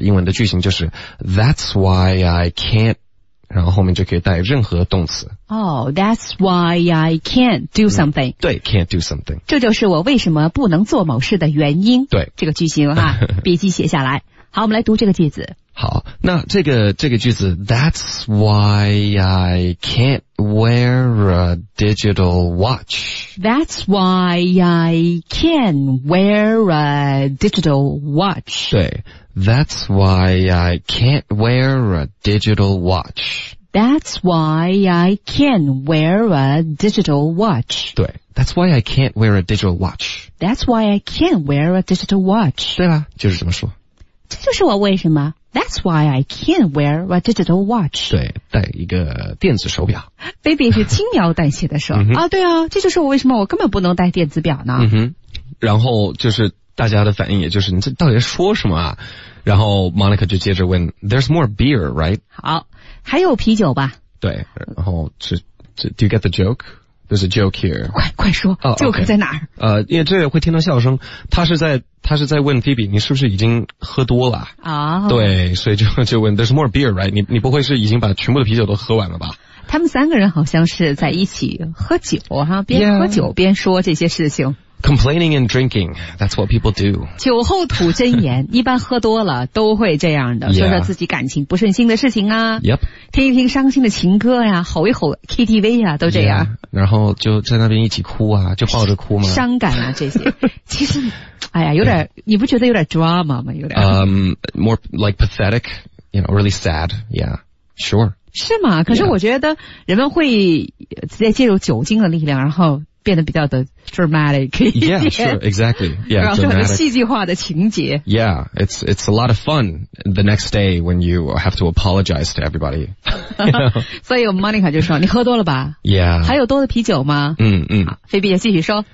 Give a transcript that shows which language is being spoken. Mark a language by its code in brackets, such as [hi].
[zh] 英文的句型就是 [en] that's why I can't, [zh] 然后后面就可以带任何动词。 [en] Oh, that's why I can't do something.、 [zh] 嗯、对 [en] ,can't do something. [zh] 这就是我为什么不能做某事的原因。对。这个句型啊，笔记写下来。好，我们来读这个句子。好，那这个句子 , [en] that's why I can't wear a digital watch. That's why I can't wear a digital watch. 对 ,that's why I can't wear a digital watch. That's why I can't wear a digital watch. 对 ,that's why I can't wear a digital watch. That's why I can't wear a digital watch. [zh] 对啦，就是这么说。这就是我为什么 [en] That's why I can't wear a digital watch. [zh] 对，戴一个电子手表。 Baby 是轻描淡写的说啊，对啊，这就是我为什么我根本不能戴电子表呢。嗯哼，然后就是大家的反应，也就是你这到底说什么啊？然后 Monica 就接着问 [en] ，There's more beer, right? [zh] 好，还有啤酒吧？对，然后是 [en] Do you get the joke? There's a joke here. [zh] 快说、 [en] oh, okay. [zh] ,joke 在哪儿？因为这会听到笑声，他是在问 Phoebe, 你是不是已经喝多了啊、oh. 对，所以就问 [en] ,there's more beer, right? [zh] 你不会是已经把全部的啤酒都喝完了吧？他们三个人好像是在一起喝酒哈，边喝酒边说这些事情。 [en] Yeah. Complaining and drinking, that's what people do. [zh] 酒后吐真言一般喝多了都会这样的、 [en] yeah. [zh] 说说自己感情不顺心的事情啊、 [en] yep. [zh] 听一听伤心的情歌呀、啊、吼一吼 KTV 啊都这样、 yeah. 然后就在那边一起哭啊就抱着哭嘛伤感啊这些其实哎呀有点、yeah. 你不觉得有点 drama 吗有点、 [en] more like pathetic, you know, really sad, yeah, sure. [zh] 是吗可是我觉得人们会在借助酒精的力量然后变得比较的 dramatic. [en] Yeah, sure, exactly. Yeah, [zh] 然后就很戏剧化的情节。 [en] Yeah, it's a lot of fun the next day when you have to apologize to everybody. So, you know? [zh] Monica 就说你喝多了吧 [en] Yeah. [zh] 还有多的啤酒吗菲比也继续说。